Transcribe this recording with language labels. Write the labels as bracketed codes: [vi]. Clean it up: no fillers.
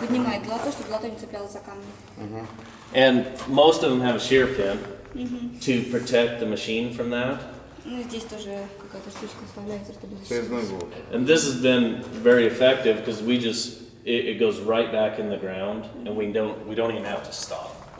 [ru] Поднимает лото, чтобы лото не цеплялось за камни. [en] And most of them have a shear pin to protect the machine from that. [ru] Ну здесь тоже какая-то штучка вставляется, чтобы. Связной болт. [en] And this has been very effective because we just it goes right back in the ground, and we don't even have to stop.